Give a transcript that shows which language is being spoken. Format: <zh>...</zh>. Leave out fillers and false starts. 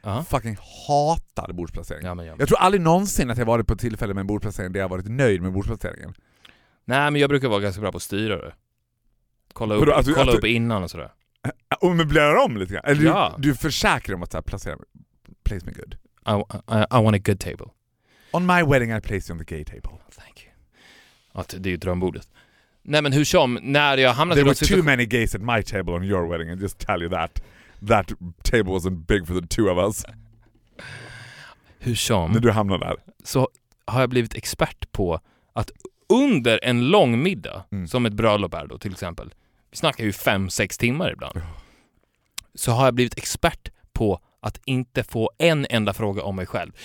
<sv>Jag fucking hatar bordsplacering. Ja, men jag tror aldrig någonsin att jag varit på ett tillfälle med en bordsplacering där jag varit nöjd med bordsplaceringen. Nej, men jag brukar vara ganska bra på att styra det. Kolla upp innan och sådär. Och möblera om lite grann. Eller ja. Du försäkrar dem att så här placera mig.</sv> <en>Place me good. I want a good table. On my wedding I place you on the gay table. Thank you.</en> <sv>Att det är ju drömbordet. Nej, men hur som, när jag hamnade...</sv> <en>There were too many gays at my table on your wedding. I just tell you that. That table wasn't big for the two of us.</en> <sv>Hur som... När du hamnade där. Så har jag blivit expert på att under en lång middag, som ett bröllop är då till exempel, vi snackar ju 5-6 timmar ibland, så har jag blivit expert på att inte få en enda fråga om mig själv.</sv>